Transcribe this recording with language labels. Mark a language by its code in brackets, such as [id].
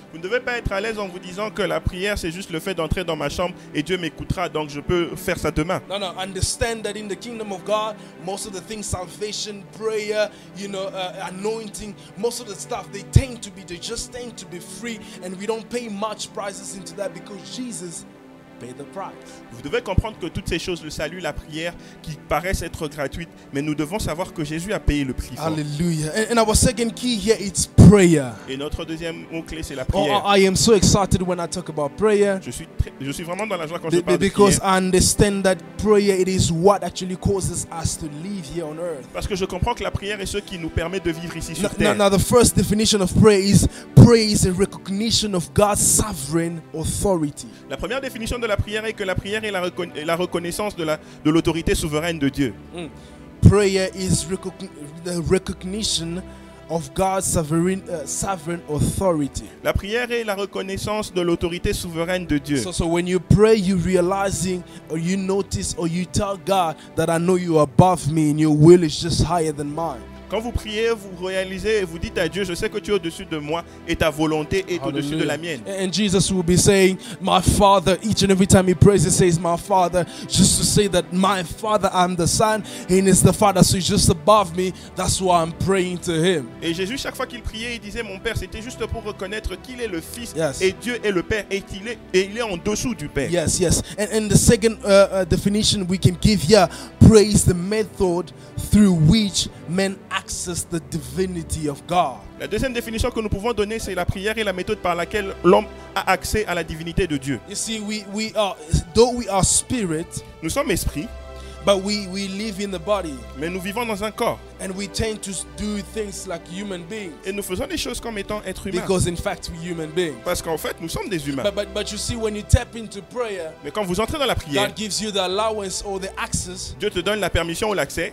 [fr] Vous ne devez pas être à l'aise en vous disant que la prière c'est juste le fait d'entrer dans ma chambre et Dieu m'écoutera, donc je peux faire ça demain. [en] No, no, understand that in the kingdom of God, most of the things, salvation, prayer, you know, anointing, most of the stuff, they just tend to be free and we don't pay much prices into that because Jesus paid the price. [fr] Vous devez comprendre que toutes ces choses, le salut, la prière, qui paraissent être gratuites, mais nous devons savoir que Jésus a payé le prix. Hallelujah. [en] And our second key here, it's prayer. [fr] Et notre deuxième mot clé, c'est la prière. [en] Oh, I am so excited when I talk about prayer. [fr] Je suis vraiment dans la joie quand je parle de prière. [en] Because I understand that prayer, it is what actually causes us to live here on earth. [fr] Parce que je comprends que la prière est ce qui nous permet de vivre ici sur terre. [en] Now the first definition of prayer is a recognition of God's sovereign authority. [fr] La première définition de la prière est que la prière est la reconnaissance de l'autorité souveraine de Dieu. [en] Prayer is the recognition of God's sovereign authority. [fr] La prière est la reconnaissance de l'autorité souveraine de Dieu. [en] So when you pray, you realizing or you notice or you tell God that I know you are above me and your will is just higher than mine. [fr] Quand vous priez, vous réalisez et vous dites à Dieu, je sais que tu es au-dessus de moi et ta volonté est au-dessus de la mienne. [en] And Jesus will be saying, my father, each and every time he prays, he says, my father, just to say that my father, I'm the son, and it's the father, so he's just above me, that's why I'm praying to him. [fr] Et Jésus, chaque fois qu'il priait, il disait, mon père, c'était juste pour reconnaître qu'il est le fils. [en] Yes. [fr] Et Dieu est le père et il est en dessous du père. [en] Yes, yes. And the second definition we can give here, pray is the method through which men access the divinity of God. [fr] La deuxième définition que nous pouvons donner, c'est la prière et la méthode par laquelle l'homme a accès à la divinité de Dieu. [en] You see, though we are spirit, [fr] nous sommes esprit, [en] but we live in the body. [fr] Mais nous vivons dans un corps. [en] And we tend to do things like human beings. [fr] Et nous faisons des choses comme étant être humain. [en] Because in fact we're human beings. [fr] Parce qu'en fait nous sommes des humains. [en] But you see, when you tap into prayer, [fr] mais quand vous entrez dans la prière, [en] God gives you the allowance or the access. [fr] Dieu te donne la permission ou l'accès.